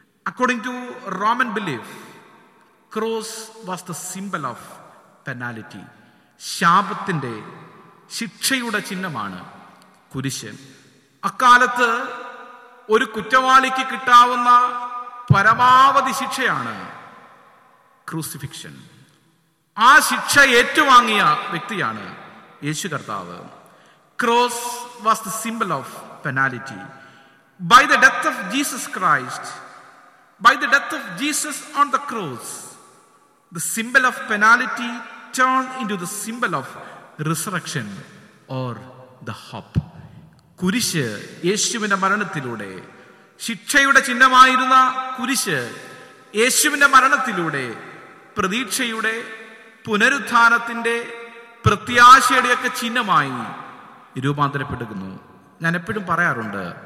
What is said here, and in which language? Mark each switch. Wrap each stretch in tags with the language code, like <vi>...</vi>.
<en>according to Roman belief cross was the symbol of penalty,</en> <ml>ശാപത്തിൻ്റെ ശിക്ഷയുടെ ചിഹ്നമാണ് കുരിശ്. അക്കാലത്ത് ഒരു കുറ്റവാളിക്ക് കിട്ടാവുന്ന പരമാവധി ശിക്ഷയാണ് ക്രൂസിഫിക്ഷൻ. ആ ശിക്ഷ ഏറ്റുവാങ്ങിയ വ്യക്തിയാണ് യേശു കർത്താവ്.</ml> <en>Cross was the symbol of penalty. By the death of Jesus Christ By the death of Jesus on the cross, the symbol of penalty turned into the symbol of resurrection or the hope.</en> <ml>കുരിശ് യേശുവിന്റെ മരണത്തിലൂടെ, ശിക്ഷയുടെ ചിഹ്നമായിരുന്ന കുരിശ് യേശുവിന്റെ മരണത്തിലൂടെ പ്രതീക്ഷയുടെ പുനരുത്ഥാനത്തിൻ്റെ പ്രത്യാശയുടെയൊക്കെ ചിഹ്നമായി രൂപാന്തരപ്പെടുന്നു. ഞാൻ എപ്പോഴും പറയാറുണ്ട്,</ml>